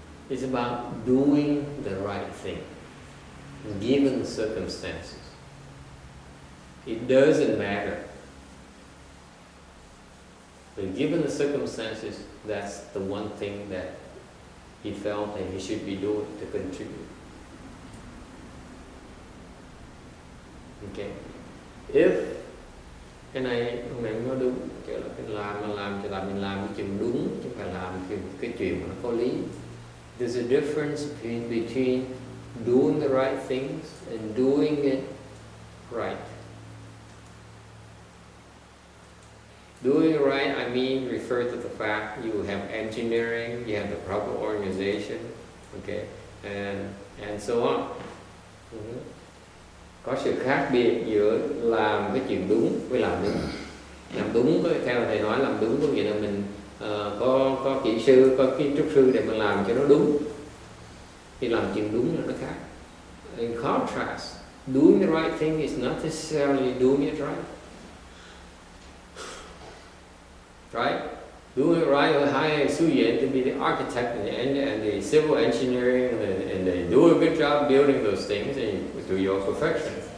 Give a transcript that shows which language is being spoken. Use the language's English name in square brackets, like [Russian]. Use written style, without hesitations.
[English] It's about doing the right thing, given the circumstances. It doesn't matter. But given the circumstances, that's the one thing that he felt that he should be doing to contribute. Okay. [Vietnamese] If cái này ông này nó đúng, kiểu là mình làm mà làm cho làm mình làm cái chuyện đúng chứ phải làm cái chuyện mà nó có lý. [English] There's a difference between doing the right things and doing it right. Doing right, I mean, refer to the fact you have engineering, you have the proper organization, okay, and so on. Mm-hmm. [Vietnamese] Có sự khác biệt giữa làm cái chuyện đúng với làm đúng. Làm đúng theo thầy nói, làm đúng có nghĩa là mình có kỹ sư, có kiến trúc sư để mình làm cho nó đúng. Thì làm chuyện đúng là nó khác. [English] In contrast, doing the right thing is not necessarily doing it right. Right? Doing it right, hire a su yen to be the architect and the civil engineering, and they do a good job building those things and to your perfection.